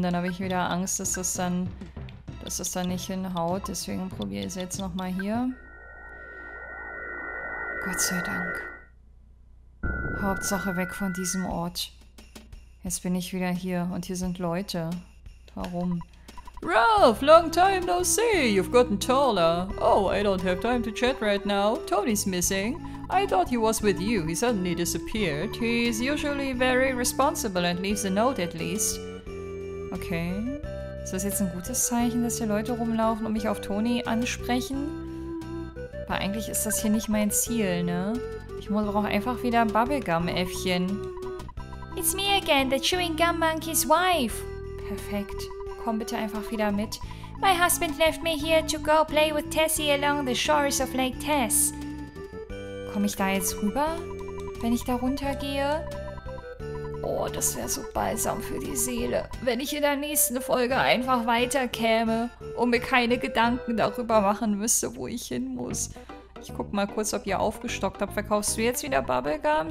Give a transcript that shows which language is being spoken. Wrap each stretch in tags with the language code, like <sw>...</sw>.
<de>Dann habe ich wieder Angst, dass das dann nicht hinhaut. Deswegen probiere ich es jetzt nochmal hier. Gott sei Dank. Hauptsache weg von diesem Ort. Jetzt bin ich wieder hier und hier sind Leute. Warum?</de> <en>Ralph, long time no see. You've gotten taller. Oh, I don't have time to chat right now. Tony's missing. I thought he was with you. He suddenly disappeared. He's usually very responsible and leaves a note at least. Okay.</en> <de>Ist das jetzt ein gutes Zeichen, dass hier Leute rumlaufen und mich auf Tony ansprechen? Aber eigentlich ist das hier nicht mein Ziel, ne? Ich brauche einfach wieder ein Bubblegum-Äffchen.</de> <en>It's me again, the chewing gum monkey's wife.</en> <de>Perfekt. Komm bitte einfach wieder mit.</de> <en>My husband left me here to go play with Tessie along the shores of Lake Tess.</en> <de>Komm ich da jetzt rüber, wenn ich da runtergehe? Oh, das wäre so balsam für die Seele, wenn ich in der nächsten Folge einfach weiterkäme und mir keine Gedanken darüber machen müsste, wo ich hin muss. Ich guck mal kurz, ob ihr aufgestockt habt. Verkaufst du jetzt wieder Bubblegum?</de>